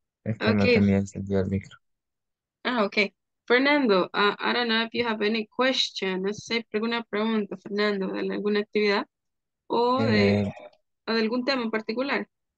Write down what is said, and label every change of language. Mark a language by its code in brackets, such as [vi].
[es] Es que okay. No tenía encendido el micro. [en] Ah, okay. Fernando, I don't know if you have any question. [es] No sé, alguna pregunta, Fernando, de alguna actividad o de algún tema en particular.